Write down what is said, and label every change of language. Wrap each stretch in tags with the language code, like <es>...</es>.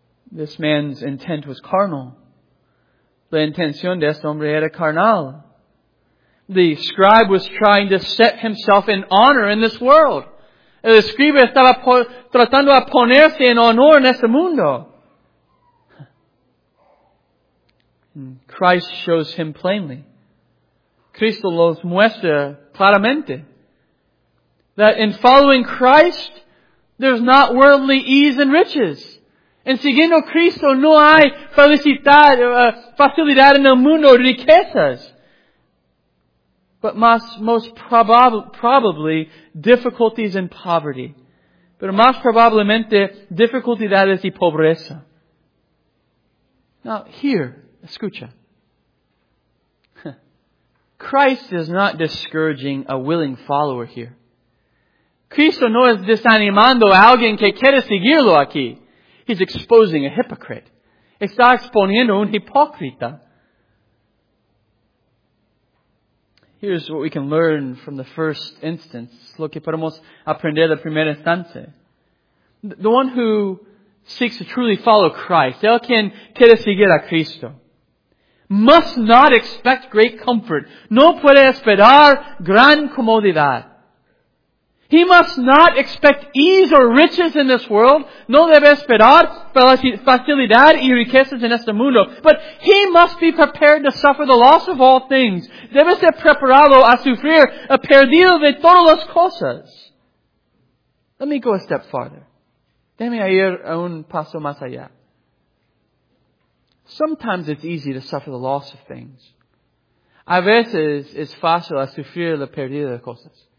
<en>This man's intent was carnal.</en> <es>La intención de este hombre era carnal.</es> <en>The scribe was trying to set himself in honor in this world.</en> <es>El escriba estaba tratando de ponerse en honor en este mundo.</es> <en>And Christ shows him plainly.</en> <es>Cristo los muestra claramente.</es> <en>That in following Christ, there's not worldly ease and riches.</en> <es>En siguiendo a Cristo no hay felicidad, facilidad en el mundo, riquezas.</es> <en>But most probably, difficulties and poverty.</en> <es>Pero más probablemente, dificultades y pobreza.</es> <en>Now, here, escucha. Christ is not discouraging a willing follower here.</en> <es>Cristo no es desanimando a alguien que quiere seguirlo aquí.</es> <en>He's exposing a hypocrite.</en> <es>Está exponiendo un hipócrita.</es> <en>Here's what we can learn from the first instance.</en> <es>Lo que podemos aprender de primera instancia.</es> <en>The one who seeks to truly follow Christ,</en> <es>el quien quiere seguir a Cristo,</es> <en>must not expect great comfort.</en> <es>No puede esperar gran comodidad.</es> <en>He must not expect ease or riches in this world.</en> <es>No debe esperar facilidad y riquezas en este mundo.</es> <en>But he must be prepared to suffer the loss of all things.</en> <es>Debe ser preparado a sufrir el perdido de todas las cosas.</es> <en>Let me go a step farther.</en> <es>Déjame ir a un paso más allá.</es> <en>Sometimes it's easy to suffer the loss of things.</en> <es>A veces es fácil a sufrir la pérdida de cosas.</es>